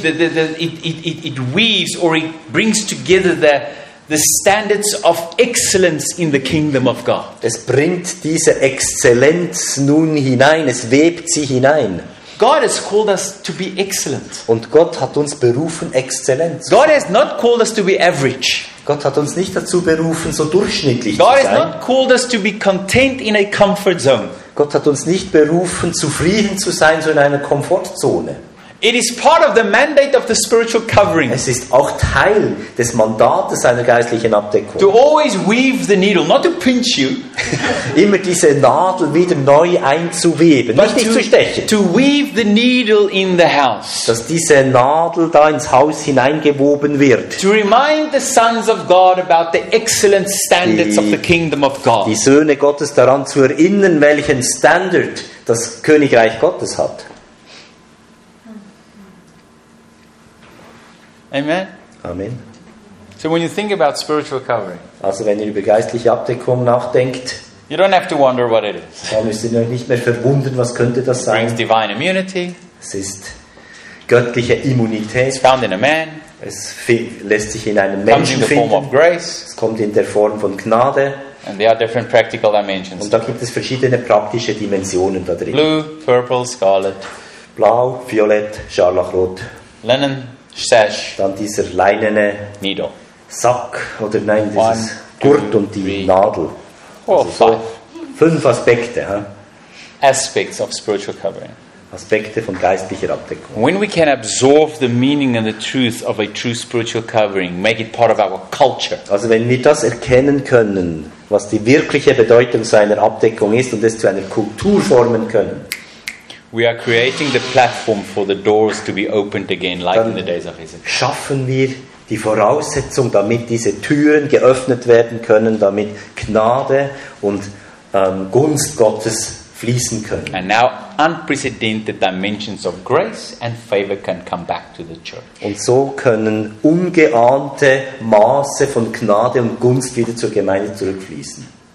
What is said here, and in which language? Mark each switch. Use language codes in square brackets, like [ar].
[en] It weaves or it brings together the standards of excellence in the kingdom of God. [de] Es bringt diese Exzellenz nun hinein. Es webt sie hinein. [en] God has called us to be excellent. [de] Und Gott hat uns berufen, Exzellenz. [en] God has not called us to be average. [de] Gott hat uns nicht dazu berufen, so durchschnittlich [en] God [de] zu sein. [en] God has not called us to be content in a comfort zone. [de] Gott hat uns nicht berufen, zufrieden zu sein, so in einer Komfortzone. [en] It is part of the mandate of the spiritual covering. [de] Es ist auch Teil des Mandates einer geistlichen Abdeckung. [en] To always weave the needle, not to pinch you. [de] Immer diese Nadel wieder neu einzuweben, nicht zu stechen. [en] To weave the needle in the house. [de] Dass diese Nadel da ins Haus hineingewoben wird. [en] To remind the sons of God about the excellent standards of the kingdom of God. [de] Die Söhne Gottes daran zu erinnern, welchen Standard das Königreich Gottes hat. Amen. Amen. [en] So when you think about spiritual covering, [de] also wenn ihr über geistliche Abdeckung nachdenkt, [en] you don't have to wonder what it is. [de] Dann müsst ihr euch nicht mehr verwundern, was könnte das sein. [en] It brings divine immunity. [de] Es ist göttliche Immunität. [en] It's found in a man. [de] Es lässt sich in einem Menschen finden. [en] In the form of grace. [de] Es kommt in der Form von Gnade. [en] And there are different practical dimensions. [de] Und da gibt es verschiedene praktische Dimensionen da drin. [en] Blue, purple, scarlet. [de] Blau, violett, scharlachrot. [en] Linen. Sash. [de] Dann dieser leinene [en] Needle. [de] Sack, oder nein, dieses Gurt und die [en] three. [de] Nadel. Oh, also so fünf Aspekte. Huh? [en] Aspects of spiritual covering. [de] Aspekte von geistlicher Abdeckung. [en] When we can absorb the meaning and the truth of a true spiritual covering, make it part of our culture. [de] Also wenn wir das erkennen können, was die wirkliche Bedeutung seiner Abdeckung ist und es zu einer Kultur formen können, [en] we are creating the platform for the doors to be opened again, like in the days of Ezekiel. [de] Schaffen wir die Voraussetzung, damit diese Türen geöffnet werden können, damit Gnade und Gunst Gottes fließen können. [en] And now, unprecedented dimensions of grace and favor can come back to the church. [de] Und so können ungeahnte Maße von Gnade und Gunst wieder zur Gemeinde zurückfließen.